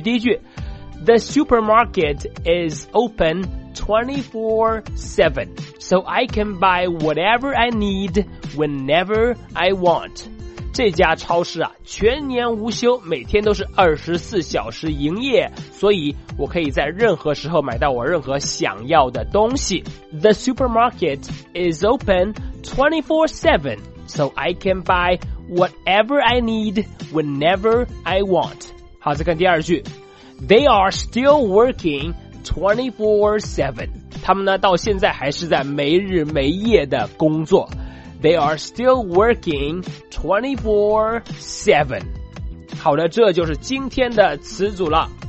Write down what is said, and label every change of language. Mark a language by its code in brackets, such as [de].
[zh] 第一句， [en] The supermarket is open 24/7, so I can buy whatever I need whenever I want. [zh] 这家超市啊，全年无休，每天都是24小时营业，所以我可以在任何时候买到我任何想要的东西。 [en] The supermarket is open 24/7, so I can buy whatever I need whenever I want. [zh] 好，再看第二句， [en] They are still working 24/7, [zh] 他们呢到现在还是在没日没夜的工作。 [en] They are still working 24/7。 [zh] 好的，这就是今天的词组了。